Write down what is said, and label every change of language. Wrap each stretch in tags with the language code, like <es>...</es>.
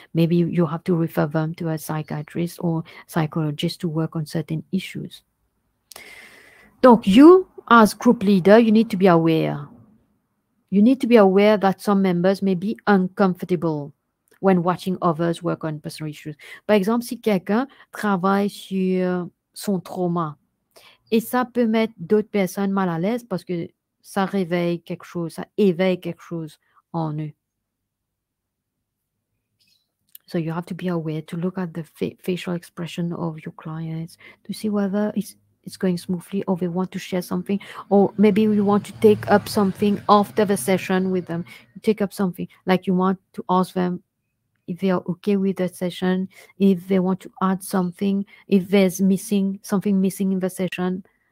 <en>Maybe you have to refer them to a psychiatrist or psychologist to work on certain issues. Donc, you as group leader, you need to be aware. You need to be aware that some members may be uncomfortable when watching others work on personal issues.</en> <fr>Par exemple, si quelqu'un travaille sur son trauma, et ça peut mettre d'autres personnes mal à l'aise parce que ça réveille quelque chose, ça éveille quelque chose en eux.</fr> <en>So you have to be aware to look at the facial expression of your clients to see whether it's going smoothly or they want to share something, or maybe you want to take up something after the session with them. You take up something, like you want to ask them if they are okay with the session, if they want to add something, if there's something missing in the session.</en>